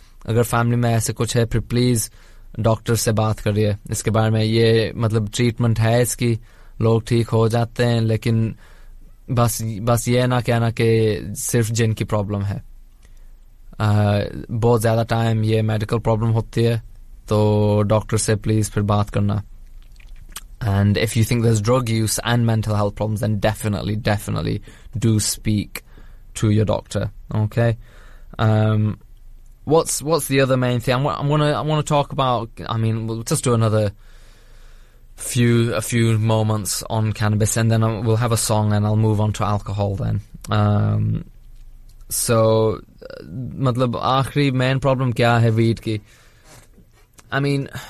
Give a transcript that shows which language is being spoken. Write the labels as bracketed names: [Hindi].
[Hindi] Agar family mein aise kuch hai phir please doctor से बात करिए इसके बारे में. ये मतलब ट्रीटमेंट है इसकी, लोग ठीक हो जाते हैं, लेकिन बस ये ना कहना कि सिर्फ जिन की प्रॉब्लम है. बहुत ज़्यादा टाइम ये मेडिकल प्रॉब्लम होती है, तो डॉक्टर से प्लीज़ फिर बात करना. [English] And if you think this drug use and mental health problems, then definitely definitely do speak to your doctor. Okay, What's the other main thing? I want to talk about, I mean, we'll just do another few moments on cannabis, and then we'll have a song and I'll move on to alcohol then. [Hindi] So matlab aakhri main problem kya hai weed ki? [English] I mean,